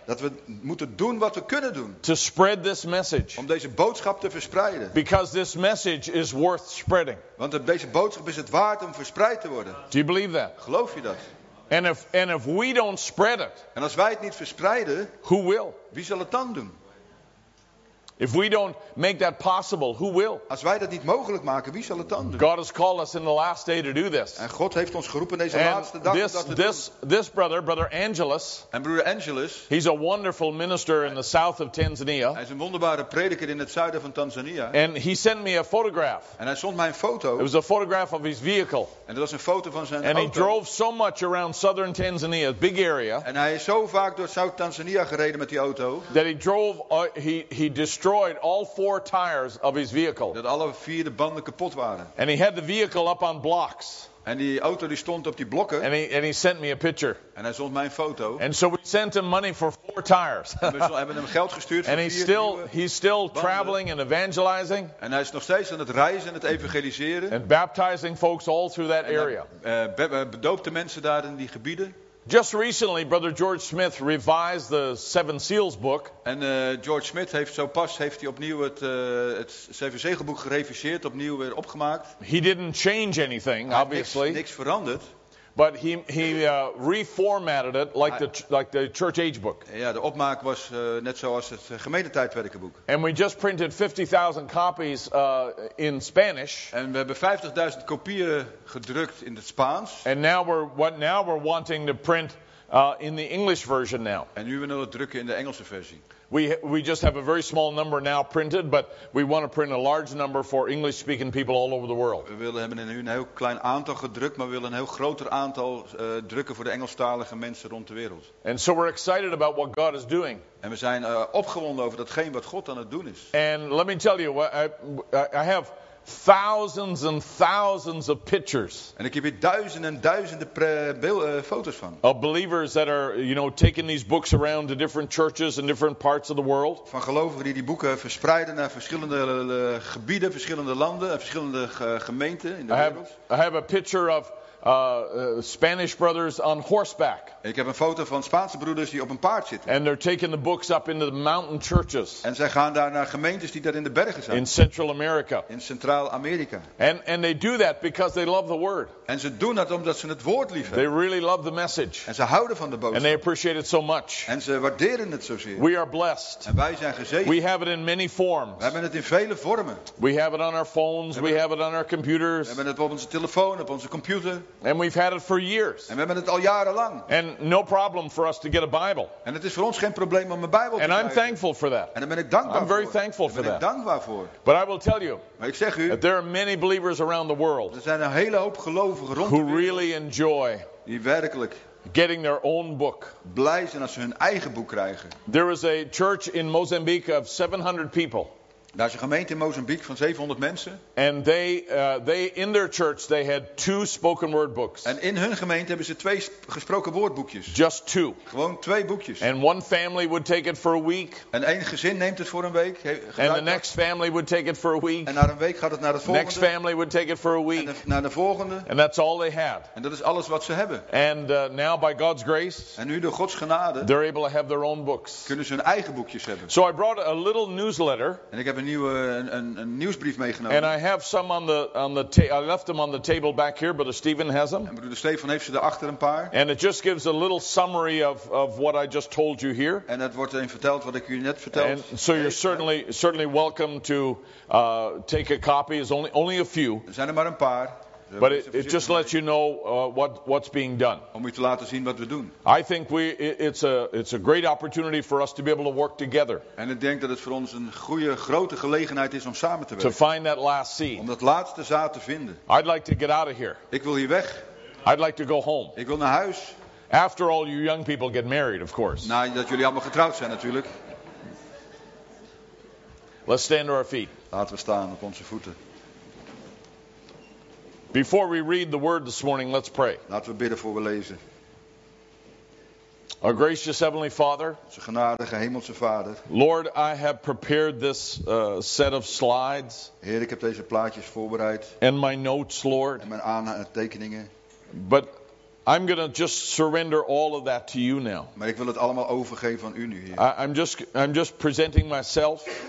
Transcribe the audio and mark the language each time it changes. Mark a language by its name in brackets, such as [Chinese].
[Dutch] Dat we moeten doen wat we kunnen doen. [English] To spread this message. [Dutch] Om deze boodschap te verspreiden. [English] Because this message is worth spreading. [Dutch] Want deze boodschap is het waard om verspreid te worden. [English] Do you believe that? [Dutch] Geloof je dat? [English] And if we don't spread it. [Dutch] En als wij het niet verspreiden. [English] Who will? [Dutch] Wie zal het dan doen? [English] If we don't make that possible, who will? [Dutch] Als wij dat niet mogelijk maken, wie zal het dan doen? [English] God has called us in the last day to do this. [Dutch] En God heeft ons geroepen deze laatste dag om dat te doen. [English] This brother Angelus. [Dutch] En broeder Angelus. [English] He's a wonderful minister in the south of Tanzania. [Dutch] Hij is een wonderbare prediker in het zuiden van Tanzania. [English] And he sent me a photograph. [Dutch] En hij zond mij een foto. [English] It was a photograph of his vehicle. [Dutch] En dat was een foto van zijn auto. [English] And he drove so much around southern Tanzania, big area. [Dutch] En hij is zo vaak door South Tanzania gereden met die auto. [English] That he drove, he destroyed. Destroyed all four tires of his vehicle. [Dutch] Dat alle vier de banden kapot waren. [English] And he had the vehicle up on blocks. [Dutch] En die auto die stond op die blokken. [English] And he sent me a picture. [Dutch] En hij zond mij een foto. [English] And so we sent him money for four tires. [Dutch] We hebben hem geld gestuurd voor [English] and [Dutch] vier [English] he's still traveling and evangelizing. [Dutch] En hij is nog steeds aan het reizen en het evangeliseren. [English] And baptizing folks all through that area. [Dutch] Bedoopte mensen daar in die gebieden. [English] Just recently, Brother George Smith revised the Seven Seals book. [Dutch] En George Smith heeft zo pas heeft hij opnieuw het Zeven Zegelboek gereviseerd, opnieuw weer opgemaakt. [English] He didn't change anything, obviously. [Dutch] Niks veranderd. [English] But he reformatted it like the church age book. [Dutch] Ja, de opmaak was net zoals het gemeentetijdperkenboek. [English] And we just printed 50,000 copies in Spanish. [Dutch] En we hebben 50,000 kopieën gedrukt in het Spaans. [English] And now we're wanting to print in the English version now. [Dutch] En nu willen we drukken in de Engelse versie. [English] We just have a very small number now printed, but we want to print a large number for English speaking people all over the world. [Dutch] We willen hebben in een heel klein aantal gedrukt, maar we willen een heel groter aantal drukken voor de Engelstalige mensen rond de wereld. [English] And so we're excited about what God is doing. [Dutch] En we zijn opgewonden over datgene wat God aan het doen is. [English] And let me tell you, I have thousands and thousands of pictures. [Dutch] En ik heb hier duizenden en duizenden foto's van. [English] Of believers that are, you know, taking these books around to different churches in different parts of the world. [Dutch] Van gelovigen die boeken verspreiden naar verschillende gebieden, verschillende landen, verschillende gemeenten in de wereld. [English] I have a picture of Spanish brothers on horseback. [Dutch] En ik heb een foto van Spaanse broeders die op een paard zitten. [English] And they're taking the books up into the mountain churches. [Dutch] En zij gaan daar naar gemeentes die daar in de bergen zijn. [English] In Central America. [Dutch] In Centraal Amerika. [English] And they do that because they love the word. [Dutch] En ze doen dat omdat ze het woord liefhebben. [English] They really love the message. [Dutch] En ze houden van de boodschap. [English] And they appreciate it so much. [Dutch] En ze waarderen het zozeer. [English] We are blessed. [Dutch] En wij zijn gezegend. [English] We have it in many forms. [Dutch] We hebben het in vele vormen. [English] We have it on our phones. We have it on our computers. [Dutch] We hebben het op onze telefoon, op onze computer. [English] And we've had it for years. [Dutch] En we hebben het al jarenlang. [English] And no problem for us to get a Bible. [Dutch] En het is voor ons geen probleem om een Bijbel te krijgen. [English] And I'm thankful for that. [Dutch] En daar ben ik dankbaar voor. [English] I'm very thankful for that. [Dutch] Ik ben dankbaar voor. [English] But I will tell you. [Dutch] Maar ik zeg u. [English] That there are many believers around the world. [Dutch] Er zijn een hele hoop gelovigen rond. [English] Who really enjoy. [Dutch] Die werkelijk. [English] Getting their own book. [Dutch] Blij zijn als ze hun eigen boek krijgen. [English] There is a church in Mozambique of 700 people. [Dutch] Daar is een gemeente in Mozambique van 700 mensen. [English] And they in their church they had two spoken word books. [Dutch] En in hun gemeente hebben ze twee gesproken woordboekjes. [English] Just two. [Dutch] Gewoon twee boekjes. [English] And one family would take it for a week. [Dutch] En één gezin neemt het voor een week. [English] And the next family would take it for a week. [Dutch] En na een week gaat het naar het volgende. [English] Next family would take it for a week. [Dutch] En naar de volgende. [English] And that's all they had. [Dutch] En dat is alles wat ze hebben. [English] And now by God's grace. [Dutch] En nu door Gods genade. [English] They're able to have their own books. [Dutch] Kunnen ze hun eigen boekjes hebben. [English] So I brought a little newsletter. [Dutch] En ik heb een nieuwsbrief meegenomen. [English] And I have some I left them on the table back here, Brother Stephen has them. [Dutch] En Broeder Stephen heeft ze er achter een paar. [English] And it just gives a little summary of what I just told you here. [Dutch] En het wordt erin verteld wat ik u net verteld. [English] And so you're certainly welcome to take a copy. It's only a few. [Dutch] Er zijn er maar een paar. [English] But it just lets you know what's being done. [Dutch] Om u te laten zien wat we doen. [English] I think it's a great opportunity for us to be able to work together. [Dutch] En ik denk dat het voor ons een goede grote gelegenheid is om samen te werken. [English] To find that last seed. [Dutch] Om dat laatste zaad te vinden. [English] I'd like to get out of here. [Dutch] Ik wil hier weg. [English] I'd like to go home. [Dutch] Ik wil naar huis. [English] After all, you young people get married, of course. [Dutch] Na dat jullie allemaal getrouwd zijn, natuurlijk. [English] Let's stand to our feet. [Dutch] Laten we staan op onze voeten. [English] Before we read the word this morning, let's pray. [Dutch] Laten we bidden voor we lezen. [English] Our gracious heavenly Father, [Dutch] onze genadige hemelse Vader. [English] Lord, I have prepared this set of slides. [Dutch] Heer, ik heb deze plaatjes voorbereid. [English] And my notes, Lord. [Dutch] En mijn aantekeningen. [English] But I'm going to just surrender all of that to you now. [Dutch] Maar ik wil het allemaal overgeven aan u nu, Heer. [English] I'm just presenting myself.